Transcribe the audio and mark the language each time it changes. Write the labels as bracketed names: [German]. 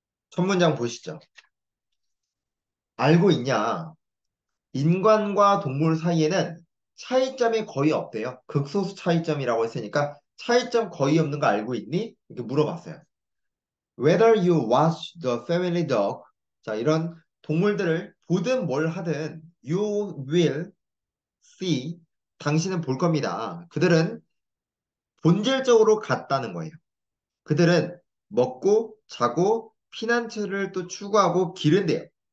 [Korean] 첫 문장 보시죠. 알고 있냐? 인간과 동물 사이에는 차이점이 거의 없대요. 극소수 차이점이라고 했으니까 차이점 거의 없는 거 알고 있니? 이렇게 물어봤어요. [English] Whether you watch the family dog. [Korean] 자, 이런 동물들을 보든 뭘 하든 [English] you will see [Korean] 당신은 볼 겁니다. 그들은 본질적으로 같다는 거예요. 그들은 먹고 자고 피난처를 또 추구하고 기른대요.